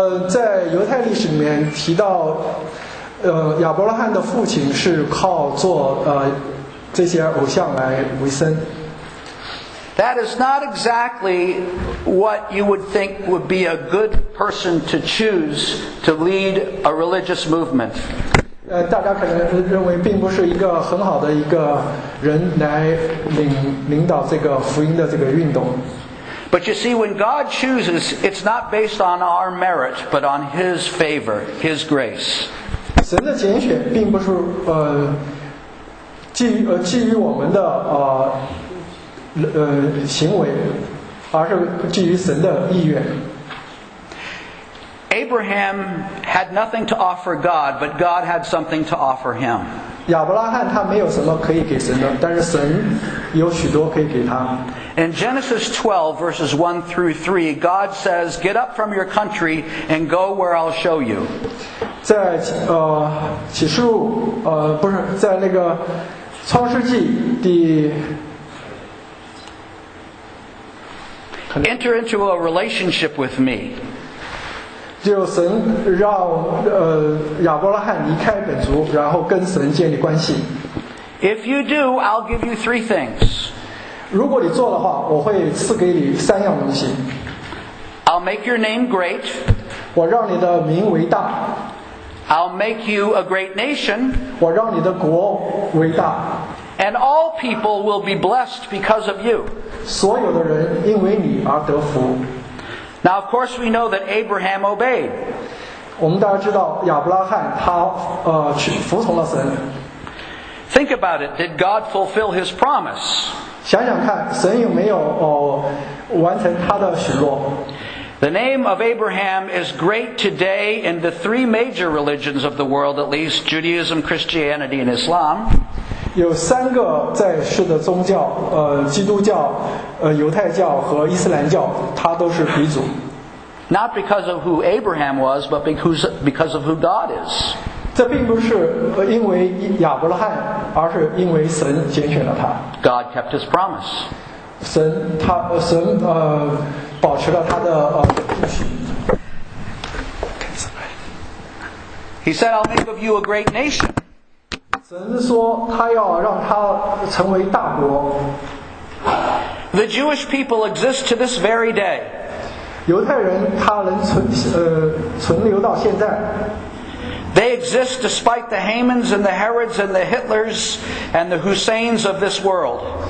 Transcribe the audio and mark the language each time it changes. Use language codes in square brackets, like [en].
[zh] 在犹太历史里面提到，亚伯拉罕的父亲是靠做这些偶像来维生。 [en] That is not exactly what you would think would be a good person to choose to lead a religious movement. [zh] 大家可能认为并不是一个很好的一个人来 领导这个福音的这个运动。 [en] But you see, when God chooses, it's not based on our merit, but on His favor, His grace. [zh] 神的拣选并不是基于我们的行为，而是基于神的意愿。 [en] Abraham had nothing to offer God, but God had something to offer him. [zh] 亚伯拉罕他没有什么可以给神的，但是神有许多可以给他。 [en] In Genesis 12, verses 1 through 3, God says, Get up from your country and go where I'll show you. [zh] 在启示录不是在那个创世纪第 [en] Enter into a relationship with me. [zh] 就神让亚伯拉罕离开本族，然后跟神建立关系。 [en] If you do, I'll give you three things. [zh] 如果你做的话，我会赐给你三样东西。 [en] I'll make your name great. [zh] 我让你的名为大。 [en] I'll make you a great nation. [zh] 我让你的国为大。 [en] And all people will be blessed because of you. [zh] 所有的人因为你而得福。 [en] Now, of course, we know that Abraham obeyed. [zh] 我们大家知道亚伯拉罕他服从了神。 [en] Think about it. Did God fulfill his promise? [zh] 想想看，神有没有完成他的许诺？ [en] The name of Abraham is great today in the three major religions of the world, at least Judaism, Christianity, and Islam. [zh] 有三个在世的宗教，基督教、犹太教和伊斯兰教，他都是鼻祖。 [en] Not because of who Abraham was, but because of who God is. [zh] 这并不是因为亚伯拉罕。而是因为神拣选了他。 [en] God kept his promise. [zh] 神保持了他的 [en] He said, I'll make of you a great nation. [zh] 神说他要让他成为大国。 [en] The Jewish people exist to this very day. [zh] 犹太人他能存留到现在。 [en] They exist despite the Hamans and the Herods and the Hitlers and the Husseins of this world.